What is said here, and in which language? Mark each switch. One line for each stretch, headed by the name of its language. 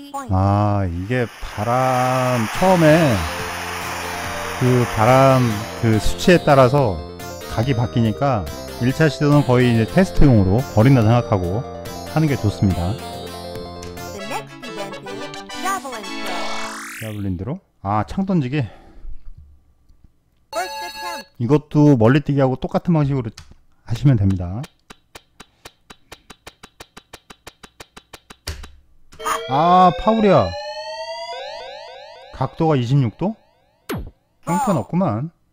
Korean: 아, 이게 바람 처음에 그 바람 그 수치에 따라서 각이 바뀌니까 1차 시도는 거의 이제 테스트용으로 버린다 생각하고 하는 게 좋습니다.
English: The next event is Javelin Throw.
Korean: Javelin Throw? 아, 창 던지기.
English: First attempt.
Korean: 이것도 멀리 뛰기하고 똑같은 방식으로 하시면 됩니다. 아, 파울이야. 각도가 26도? 형편 없구만.